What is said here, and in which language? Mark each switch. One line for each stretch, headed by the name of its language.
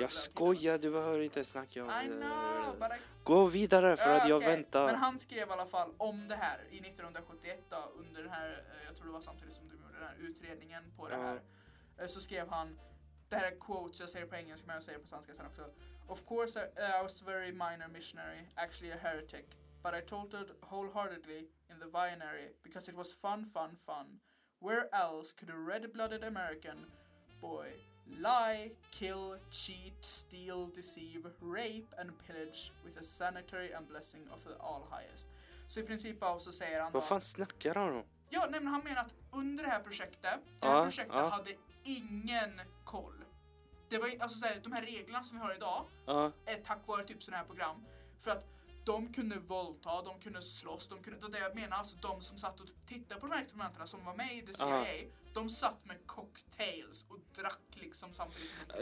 Swedish: jag skojar, du behöver inte snacka om det.
English: I know, but I...
Swedish: Gå vidare för att jag väntar. Men han skrev i alla fall om det här i 1971 då, under den här, jag tror det var samtidigt som du gjorde den här utredningen på det här. Så skrev han, det här är quotes, jag säger det på engelska men jag säger det på svenska sen också.
English: Of course I was a very minor missionary, actually a heretic, but I told it wholeheartedly in the binary because it was fun, fun, fun. Where else could a red-blooded American boy lie, kill, cheat, steal, deceive, rape and pillage with a sanitary and blessing of the all highest?
Swedish: Så i princip av så säger han... Vad fan snackar han då? Ja, nej, men han menar att under det här projektet, det här projektet hade ingen koll. Det var alltså såhär, de här reglerna som vi har idag är tack vare typ sådana här program. För att de kunde våldta, de kunde slåss, de kunde, det jag menar, alltså de som satt och tittade på de här experimenterna som var med i CIA, de satt med cocktails och drack liksom samtidigt som